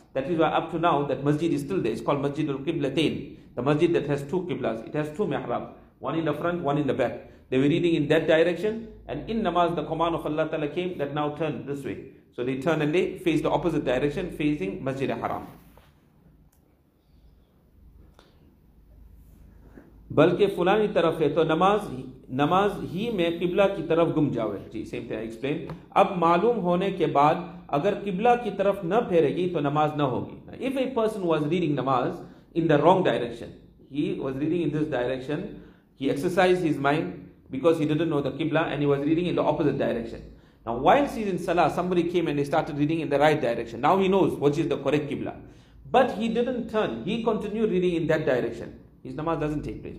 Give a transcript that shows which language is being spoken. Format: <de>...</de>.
<en>That is why up to now that masjid is still there. It's called Masjid al-Qiblatain. The masjid that has two qiblas. It has two mihrab. One in the front, one in the back. They were reading in that direction. And in namaz, the command of Allah Ta'ala came that now turn this way. So they turn and they face the opposite direction, facing Masjid al-Haram.</en> <ur>بلکہ فلانی طرف ہے تو نماز ہی میں قبلہ کی طرف گم جاوے.</ur> <en>جی same thing explain.</en> <ur>اب معلوم ہونے کے بعد اگر قبلہ کی طرف نہ پھیرے گی تو نماز نہ ہوگی.</ur> <en>If a person was reading namaz in the wrong direction, he was reading in this direction, he exercised his mind because he didn't know the qibla and he was reading in the opposite direction. Now while he's in salah, somebody came and they started reading in the right direction. Now he knows which is the correct qibla. But he didn't turn, he continued reading in that direction. His namaz doesn't take place.</en>